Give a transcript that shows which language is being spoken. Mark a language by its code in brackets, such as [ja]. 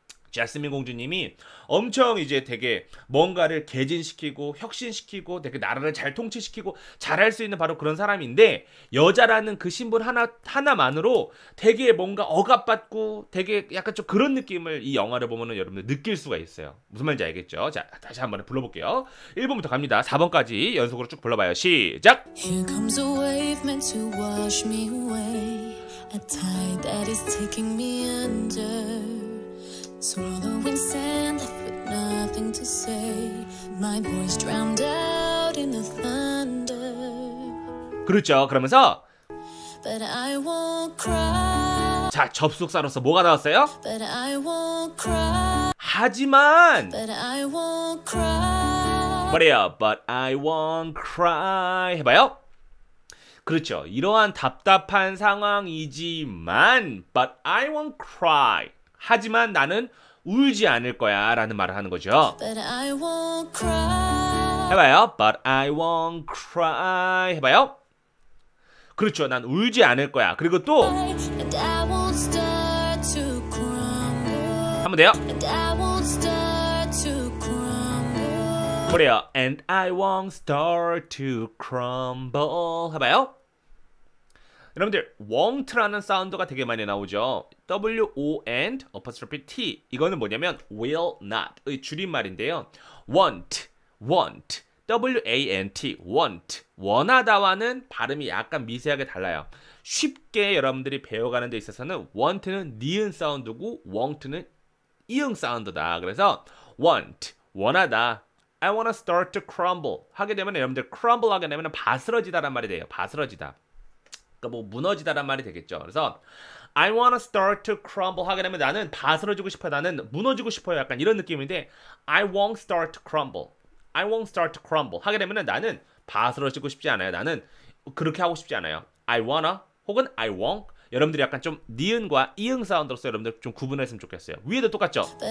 [ko] 자스민 공주님이 엄청 이제 되게 뭔가를 개진시키고 혁신시키고 되게 나라를 잘 통치시키고 잘할 수 있는 바로 그런 사람인데 여자라는 그 신분 하나만으로 되게 뭔가 억압받고 되게 약간 좀 그런 느낌을 이 영화를 보면은 여러분들 느낄 수가 있어요. 무슨 말인지 알겠죠? 자, 다시 한번 불러볼게요. 1번부터 갑니다. 4번까지 연속으로 쭉 불러봐요. 시작! [en] Here comes a wave meant to wash me away. A tide that is taking me under. Swallowing sand, but nothing to say. My voice drowned out in the thunder. [ko] 그렇죠. 그러면서 [en] But I won't cry. [ko] 자, 접속사로서 뭐가 나왔어요? [en] But I won't cry. [ko] 하지만 [en] But I won't cry. [ko] 뭐래요? [en] But I won't cry. [ko] 해봐요. 그렇죠. 이러한 답답한 상황이지만 [en] But I won't cry. [ko] 하지만 나는 울지 않을 거야 라는 말을 하는 거죠. [en] But I won't cry. [ko] 해봐요. [en] But I won't cry. 해봐요. 그렇죠. [ko] 난 울지 않을 거야. 그리고 또 [en] And I won't start to crumble. [ko] 한번 돼요. [en] And I won't start to crumble. [ko] 그래요. [en] And I won't start to crumble. [ko] 해봐요. 여러분들 won't라는 사운드가 되게 많이 나오죠. won't apostrophe t 이거는 뭐냐면 will not의 줄임말인데요. want want w-a-n-t want 원하다와는 발음이 약간 미세하게 달라요. 쉽게 여러분들이 배워가는 데 있어서는 want는 니은 사운드고 won't는 이응 사운드다. 그래서 want 원하다 [en] I wanna start to crumble [ko] 하게 되면 여러분들 crumble 하게 되면 바스러지다란 말이 돼요. 바스러지다 그러니까 뭐 무너지다란 말이 되겠죠. 그래서 [en] I wanna start to crumble [ko] 하게 되면 나는 바스러지고 싶어. 나는 무너지고 싶어요. 약간 이런 느낌인데 [en] I won't start to crumble. I won't start to crumble [ko] 하게 되면 나는 바스러지고 싶지 않아요. 나는 그렇게 하고 싶지 않아요. I wanna 혹은 I won't 여러분들이 약간 좀 니은과 이응 사운드로서 여러분들 좀 구분했으면 좋겠어요. 위에도 똑같죠?